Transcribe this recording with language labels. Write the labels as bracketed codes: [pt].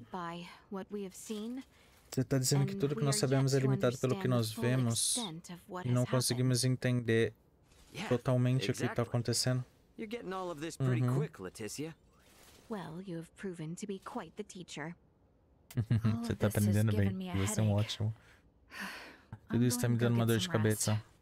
[pt] Você tá dizendo que tudo que nós sabemos é limitado pelo que nós vemos e não conseguimos entender totalmente o que tá acontecendo? Você tá [en] getting all of this pretty quick, Leticia. Well, you have proven to be quite the teacher. [pt] Você tá aprendendo bem. Você é um ótimo. Tudo isso tá me dando uma dor de cabeça.